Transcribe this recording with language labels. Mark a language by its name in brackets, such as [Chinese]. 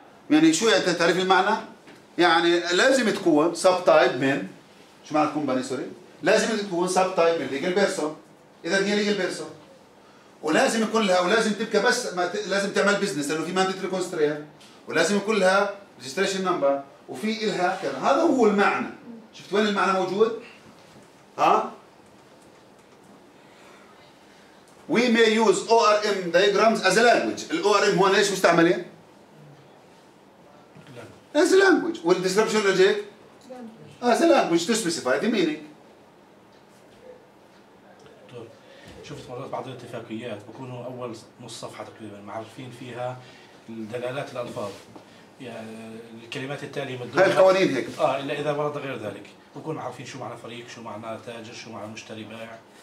[Arabic] يعني شو يعني تعريف المعنى؟ يعني لازم تكون subtype من شو معنى company sorry؟ لازم تكون subtype من legal person. إذا هي legal person. ولازم يكون لها ولازم تبقى بس ما لازم تعمل business لأنه في mandatory constraint. ولازم يكون لها registration number وفي إلها كذا. هذا هو المعنى. شفت وين المعنى موجود؟ [English] ها؟ We may use ORM diagrams as a language. The ORM [Arabic] هون ايش مستعملين؟ [English] As a language. [Arabic] وال description اللي جايك؟ [English] As a language to specify the meaning. [Arabic] طيب شفت مرات بعض الاتفاقيات بكونوا اول نص صفحة تقريبا معرفين فيها دلالات الالفاظ. يعني الكلمات التاليه مدونه هاي القوانين هيك الا اذا ورد غير ذلك بكون عارفين شو معنى فريق شو معنى تاجر شو معنى مشتري بائع